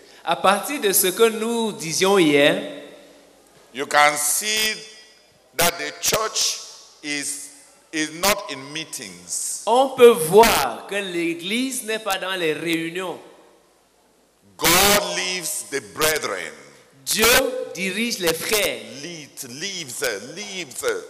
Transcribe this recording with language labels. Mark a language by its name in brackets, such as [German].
[French] à partir de ce que nous disions hier, [English] you can see that the church is not in meetings. [French] On peut voir que l'église n'est pas dans les réunions. [English] God leaves the brethren. [French] Dieu dirige les frères. [English] Leaves.